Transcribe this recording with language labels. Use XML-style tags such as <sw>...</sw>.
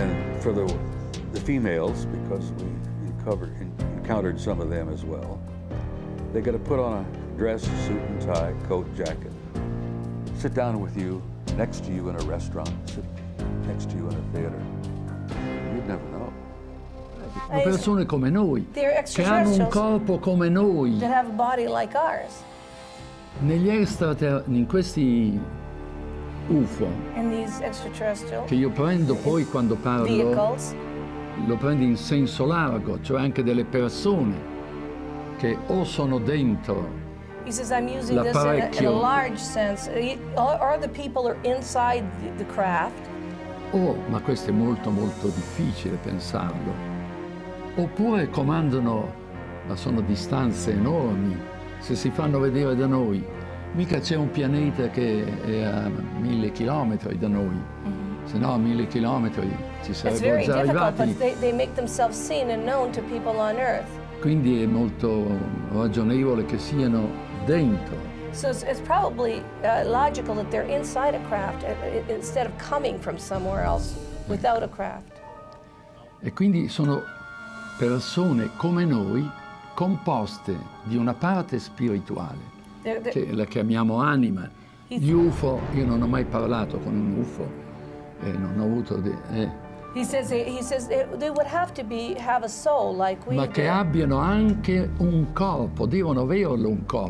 <en>And for the females, because we encountered some of them as well, they could have put on a dress, suit and tie, coat, jacket, sit down with you, next to you in a restaurant, sit next to you in a theater. You'd never know.</en> <it>Persone come noi, che hanno un corpo come noi,</it> <en>that have a body like ours.</en> <it>Negli extraterrestri, in questi UFO,</it> <en>in these extraterrestrial,</en> <it>che io prendo poi quando parlo,</it> <en>vehicles,</en> <it>lo prendo in senso largo, cioè anche delle persone che o sono dentro.</it> <en>He says I'm using this in a large sense. Are the people are inside the craft?</en> <it>Oh, ma questo è molto molto difficile pensarlo. Oppure comandano, ma sono distanze enormi, se si fanno vedere da noi. Mica c'è un pianeta che è a 1,000 chilometers da noi. Mm-hmm. Se no, a 1,000 chilometers ci sarebbero già arrivati.</it> <en>It's very difficult, but they make themselves seen and known to people on Earth.</en> <it>Quindi è molto ragionevole che siano dentro.</it> <en>So it's probably logical that they're inside a craft instead of coming from somewhere else without a craft.</en> <it>E quindi sono persone come noi, composte di una parte spirituale, che la chiamiamo anima. Gli UFO, io non ho mai parlato con un UFO, non ho avuto...</it> <en>He says they would have to have a soul like we do.</en> <it>Ma che abbiano anche un corpo, devono averlo un corpo.</it>